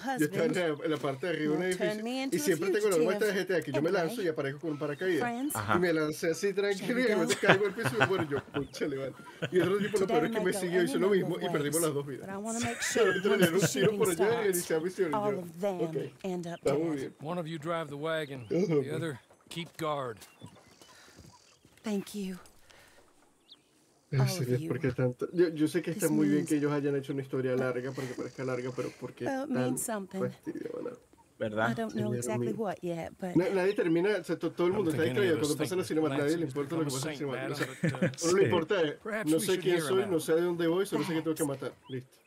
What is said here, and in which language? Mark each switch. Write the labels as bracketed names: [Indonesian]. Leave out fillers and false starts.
[Spanish] Yo estaba en la parte de arriba de un edificio y siempre tengo la muestra de GTA que yo me lanzo y aparezco con un paracaídas. Y me lancé así tranquilo y me caigo al piso y me muero yo. Púchale, vale. Y otro tipo, lo peor es que me siguió, hizo lo mismo y perdimos las dos vidas. Pero yo un tiro por allá y inicié la misión. Y yo, ok, está muy bien. [English] One of you drive the wagon, the other keep guard. Thank you. [Spanish] Sí, es porque tanto... yo sé que está muy bien que ellos hayan hecho una historia larga, para que parezca larga, pero ¿por qué tan fastidio? ¿Verdad? Nadie termina, o sea, todo el mundo está distraído. Cuando pasa la cinemática, nadie le importa lo que pasa en la cinemática. Solo le importa, no sé quién soy, no sé de dónde voy, solo sé que tengo que matar. Listo.